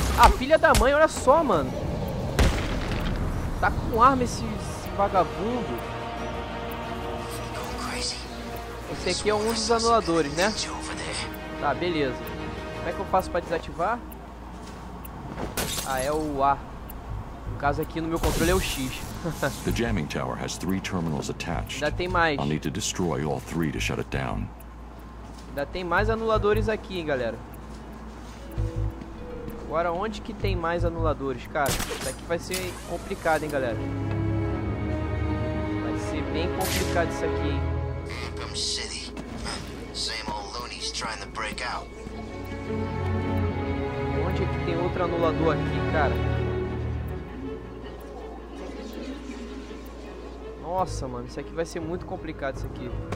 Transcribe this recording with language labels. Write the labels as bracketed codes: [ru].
[pt] Ah, filha da mãe, olha só, mano. Tá com arma esse vagabundo. Esse aqui é um dos anuladores, né? Tá, beleza. Como é que eu faço pra desativar? Ah, é o A. No caso aqui no meu controle é o X. [en] The jamming tower has three terminals attached. [pt] Ainda tem mais. [en] I'll need to destroy all three to shut it down. [pt] Ainda tem mais anuladores aqui, hein, galera. Agora, onde que tem mais anuladores, cara? Isso aqui vai ser complicado, hein, galera. Vai ser bem complicado isso aqui, hein. [en] Arkham City. Same old loonies trying to break out. [pt] Onde é que tem outro anulador aqui, cara? Nossa, mano, isso aqui vai ser muito complicado isso aqui.